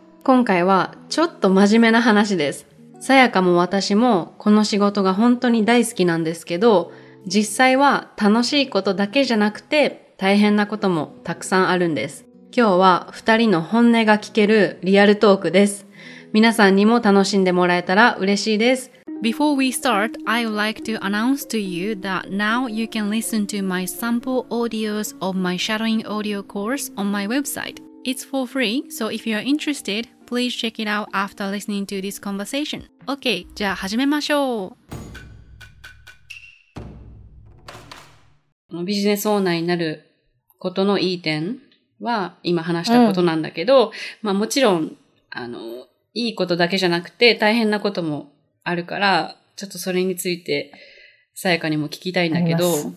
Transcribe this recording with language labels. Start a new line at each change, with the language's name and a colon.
Japanese: 今回はちょっと真面目な話です。さやかも私もこの仕事が本当に大好きなんですけど、実際は楽しいことだけじゃなくて大変なこともたくさんあるんです。今日は二人の本音が聞けるリアルトークです。皆さんにも楽しんでもらえたら嬉しいです。
English: Before we start, I would like to announce to you that now you can listen to my sample audios of my shadowing audio course on my website. It's for free, so if you're interested, please check it out after listening to this conversation.
Japanese: OK, じゃあ始めましょう。ビジネスオーナーになることのいい点は今話したことなんだけど、うん、まあもちろん、いいことだけじゃなくて大変なこともあるから、ちょっとそれについて、さやかにも聞きたいんだけど。